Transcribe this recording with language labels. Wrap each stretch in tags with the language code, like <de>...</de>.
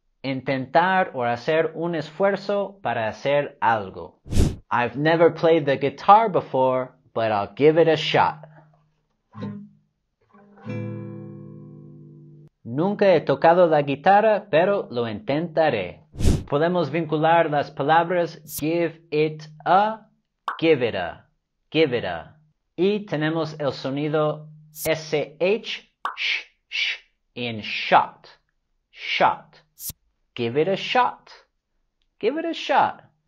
<es>Intentar o hacer un esfuerzo para hacer algo.</es> <en>I've never played the guitar before, but I'll give it a shot.</en> <es>Nunca he tocado la guitarra, pero lo intentaré. Podemos vincular las palabras</es> <en>give it a, give it a, give it a.</en> <es>Y tenemos el sonido</es> <en>SH, sh, sh, in shot, shot. Give it a shot. Give it a shot.</en>